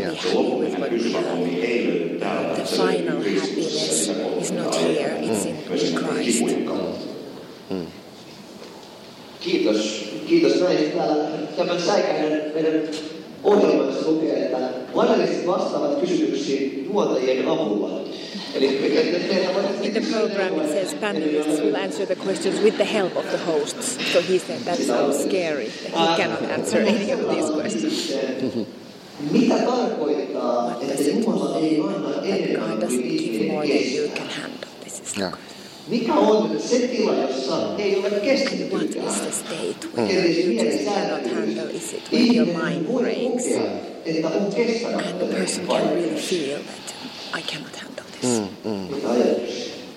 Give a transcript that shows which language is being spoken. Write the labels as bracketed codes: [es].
[fi] Se lopullinen pysyvä onni ei löydy täällä, että se löytyy Kristuksessa, se kohtaa ja myöskin kipujen kautta. Kiitos. Kiitos näin. Täällä tämän säikähden meidän ohjelmassa lukee, että panelistit vastaavat kysymyksiin juontajien avulla. [en] In the program it says panelists will answer the questions with the help of the hosts. So he said that sounds scary. He cannot answer any of these questions. [fi] Mitä tarkoittaa, että Jumala ei anna enemmän kuin ihminen kestää? [en] More than you can handle. This is the question. [fi] Mikä on se tila, jossa ei ole kestänyt yhtään? [en] What is the state where you just cannot handle? Is it when your mind breaks? And the person can really feel that I cannot handle this.